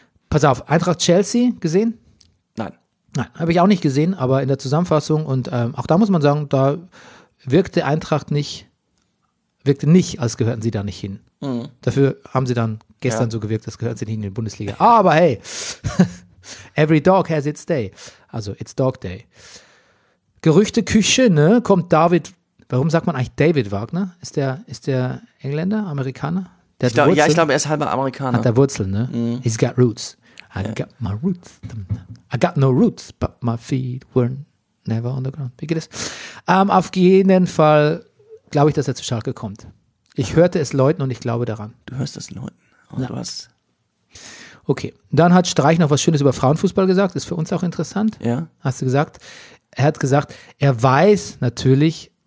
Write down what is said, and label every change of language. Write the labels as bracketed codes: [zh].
[de] Pass auf, Eintracht Chelsea gesehen? Nein. Nein, habe ich auch nicht gesehen, aber in der Zusammenfassung und auch da muss man sagen, da wirkte Eintracht nicht. Wirkte nicht, als gehörten sie da nicht hin. Mhm. Dafür haben sie dann gestern so gewirkt, als gehörten sie nicht in die Bundesliga. Aber [en] hey, every dog has its day. Also, it's dog day. [de] Gerüchteküche, ne? Kommt David, warum sagt man eigentlich David Wagner? Ist der Engländer, Amerikaner? Der hat Wurzeln. Ja, ich glaube, er ist halber Amerikaner. Hat der Wurzeln, ne? Mhm. [en] He's got roots. I got my roots. I got no roots, but my feet were never on the ground. [de] Wie geht es? Auf jeden Fall glaube ich, dass er zu Schalke kommt. Ich hörte es läuten und ich glaube daran. Du hörst es läuten. Und du hast. Okay, dann hat Streich noch was Schönes über Frauenfußball gesagt. Ist für uns auch interessant. Ja. Hast du gesagt? Er hat gesagt, er weiß natürlich,